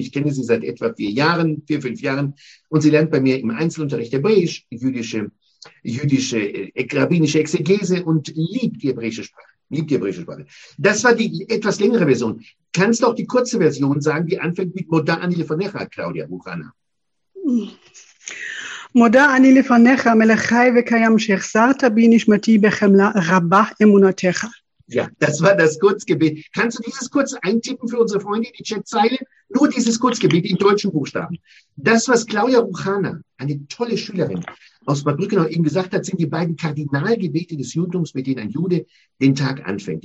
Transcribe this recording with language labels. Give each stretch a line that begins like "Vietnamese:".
German: Ich kenne sie seit etwa vier, fünf Jahren. Und sie lernt bei mir im Einzelunterricht Hebräisch, rabbinische Exegese und liebt die hebräische Sprache. Das war die etwas längere Version. Kannst du auch die kurze Version sagen, die anfängt mit Moda Anile von Necha, Claudia Buchana?
Hebrew: מודה אני לפניך, מלך חי וקיים, שהחזרת בי נשמתי בחמלה רבה אמונתך.
German: Ja, das war das Kurzgebet. Kannst du dieses kurz eintippen für unsere Freunde in die Chatzeile? Nur dieses Kurzgebet in deutschen Buchstaben. Das, was Claudia Buchana, eine tolle Schülerin aus Bad Brückenau, eben gesagt hat, sind die beiden Kardinalgebete des Judentums, mit denen ein Jude den Tag anfängt.